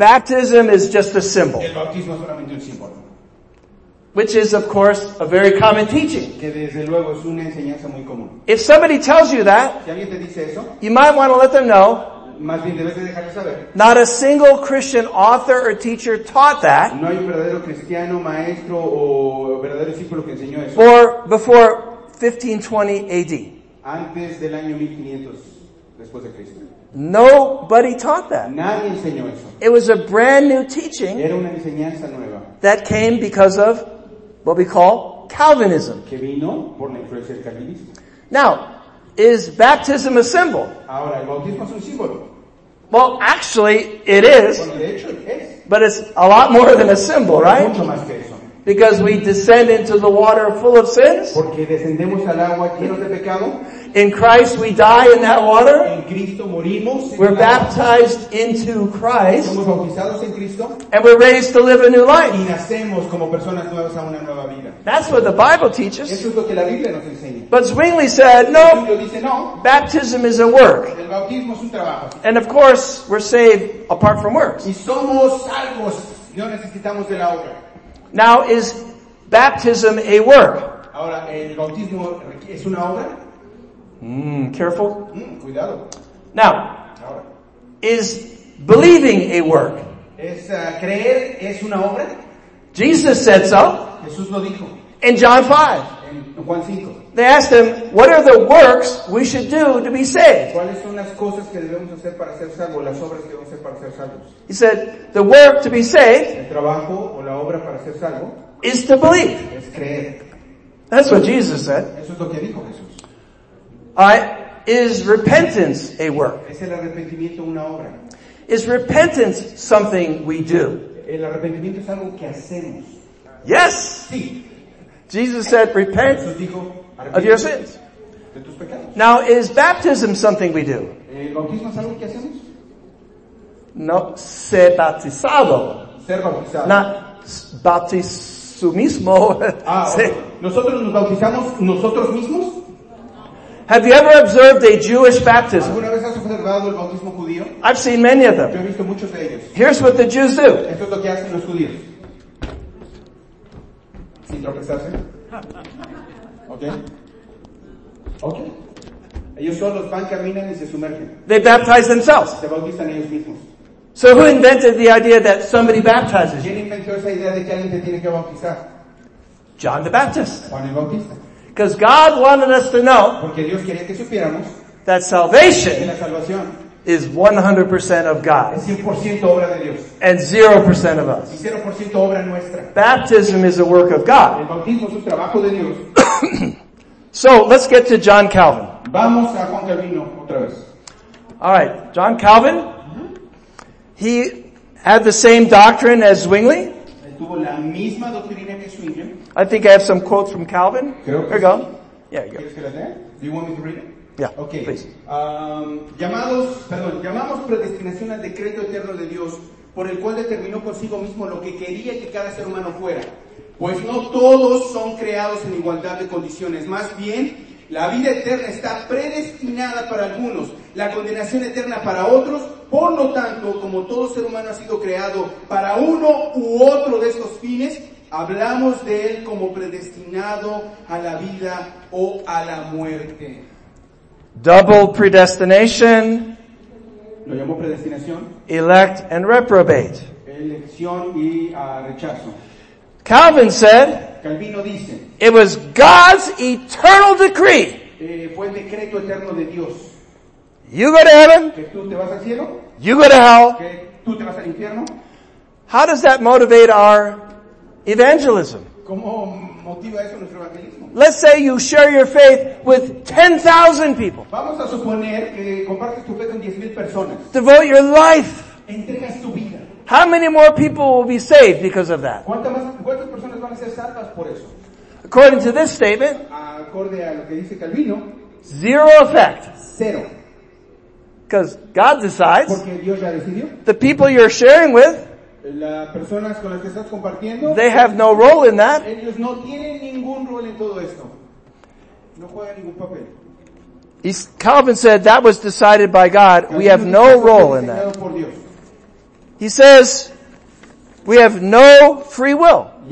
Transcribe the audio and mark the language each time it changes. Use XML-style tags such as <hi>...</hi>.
<en>Baptism is just a symbol.</en> <es>El bautismo es solamente un símbolo.</es> <en>Which is, of course, a very common teaching.</en> <es>Que desde luego es una enseñanza muy común.</es> <en>If somebody tells you that,</en> <es>si alguien te dice eso,</es> <en>you might want to let them know.</en> <es>Más bien, debes de dejarlo saber.</es> <en>Not a single Christian author or teacher taught that.</en> <es>No hay un verdadero cristiano, maestro, o verdadero discípulo que enseñó eso.</es> <en>Or before 1520 AD.</en> <es>Antes del año 1500 después de Cristo.</es> <en>Nobody taught that.</en> <es>Nadie enseñó eso.</es> <en>It was a brand new teaching.</en> <es>Era una enseñanza nueva.</es> <en>That came because of what we call Calvinism.</en> <es>Que vino por la influencia del calvinismo.</es> <en>Now, is baptism a symbol?</en> <es>Ahora, el bautismo es un símbolo.</es> <en>Well, actually, it is.</en> <es>Bueno, de hecho, es.</es> <en>But it's a lot more than a symbol, right?</en> <es>Mucho más que eso.</es> <en>Because we descend into the water full of sins.</en> <es>Porque descendemos al agua llenos de pecado.</es> <en>In Christ we die in that water.</en> <es>En Cristo morimos en</es> <en>we're baptized</en> <es>agua.</es> <en>Into Christ.</en> <es>Somos bautizados en Cristo.</es> <en>And we're raised to live a new life.</en> <es>Y nacemos como personas nuevas a una nueva vida.</es> <en>That's what the Bible teaches.</en> <es>Eso es lo que la Biblia nos enseña.</es> <en>But Zwingli said, no,</en> <es>dice, no,</es> <en>baptism is a work.</en> <es>El bautismo es un trabajo.</es> <en>And of course, we're saved apart from works.</en> <es>Y somos salvos. No necesitamos de la obra.</es> <en>Now, is baptism a work?</en> <es>Ahora, el bautismo es una obra?</es> <en>Careful.</en> <es>Cuidado.</es> <en>Now,</en> <es>ahora,</es> <en>is believing a work?</en> <es>Es, creer es una obra?</es> <en>Jesus said so.</en> <es>Jesús lo dijo.</es> <en>In John 5.</en> <es>En Juan 5.</es> <en>They asked him, what are the works we should do to be saved?</en> <es>¿Cuáles son las cosas que debemos hacer para ser salvos? Las obras que debemos hacer para ser salvos.</es> <en>He said, the work to be saved,</en> <es>el trabajo o la obra para ser salvo,</es> <en>is to believe.</en> <es>Es creer.</es> <en>That's what Jesus said.</en> <es>Eso es lo que dijo Jesús.</es> <en>Is repentance a work?</en> <es>¿Es el arrepentimiento una obra?</es> <en>Is repentance something we do?</en> <es>El arrepentimiento es algo que hacemos.</es> <en>Yes.</en> <es>Sí.</es> <en>Jesus said, repent.</en> <es>Jesús dijo,</es> <en>of your sins.</en> <es>De tus pecados.</es> <en>Now, is baptism something we do?</en> <es>¿El bautismo es algo que hacemos? No, ser bautizado. Ser bautizado.</es> <en>Not</en> <es>bautizo mismo. Ah, ¿nosotros nos bautizamos nosotros mismos?</es> <en>Have you ever observed a Jewish baptism?</en> <es>¿Alguna vez has observado el bautismo judío?</es> <en>I've seen many of them.</en> <es>Yo he visto muchos de ellos.</es> <en>Here's what the Jews do.</en> <es>Esto es lo que hacen los judíos. Sin tropezarse. Okay. Ellos solos van, caminan y se sumergen.</es> <en>They baptize themselves.</en> <es>Se bautizan ellos mismos.</es> <en>So who invented the idea that somebody baptizes?</en> <es>¿Quién inventó esa idea de que alguien te tiene que bautizar?</es> <en>John the Baptist.</en> <es>Juan el Bautista.</es> <en>Because God wanted us to know.</en> <es>Porque Dios quería que supiéramos.</es> <en>That salvation.</en> <es>La salvación.</es> <en>Is 100% of God.</en> <es>Es 100% obra de Dios.</es> <en>And 0% of us.</en> <es>Y 0% obra nuestra.</es> <en>Baptism is a work of God.</en> <es>El bautismo es un trabajo de Dios.</es> <en>So, let's get to John Calvin.</en> <es>Vamos a Juan Calvino otra vez.</es> <en>All right, John Calvin, he had the same doctrine as Zwingli.</en> <es>Tuvo la misma doctrina que Zwingli.</es> <en>I think I have some quotes from Calvin.</en> <es>Creo que</es> <en>here</en> <es>sí.</es> <en>Go. Yeah, you go.</en> <es>¿Quieres que la lea?</es> <en>Do you want me to read it? Yeah, okay. Please.</en> <es>Llamamos predestinación al decreto eterno de Dios, por el cual determinó consigo mismo lo que quería que cada ser humano fuera. Pues no todos son creados en igualdad de condiciones. Más bien, la vida eterna está predestinada para algunos, la condenación eterna para otros. Por lo tanto, como todo ser humano ha sido creado para uno u otro de estos fines, hablamos de él como predestinado a la vida o a la muerte.</es> <en>Double predestination.</en> <es>Lo llamó predestinación.</es> <en>Elect and reprobate.</en> <es>Elección y rechazo.</es> <en>Calvin said,</en> <es>Calvino dice,</es> <en>it was God's eternal decree.</en> <es>Fue el decreto eterno de Dios.</es> <en>You go to heaven.</en> <es>Que tú te vas al cielo.</es> <en>You go to hell.</en> <es>Que tú te vas al infierno.</es> <en>How does that motivate our evangelism?</en> <es>¿Cómo motiva eso nuestro evangelismo?</es> <en>Let's say you share your faith with 10,000 people.</en> <es>Vamos a suponer que compartes tu fe con 10,000 personas.</es> <en>Devote your life.</en> <es>Entregas tu vida.</es> <en>How many more people will be saved because of that?</en> <es>¿Cuántas personas van a ser salvas por eso?</es> <en>According to this statement,</en> <es>acorde a lo que dice Calvino,</es> <en>zero effect.</en> <es>Cero.</es> <en>Because God decides.</en> <es>Porque Dios ya decidió.</es> <en>The people you're sharing with,</en> <es>las personas con las que estás compartiendo,</es> <en>they have no role in that.</en> <es>Ellos no tienen ningún rol en todo esto. No juegan ningún papel.</es> <en>Calvin said that was decided by God. We have no role in that. He says we have no free will.</en>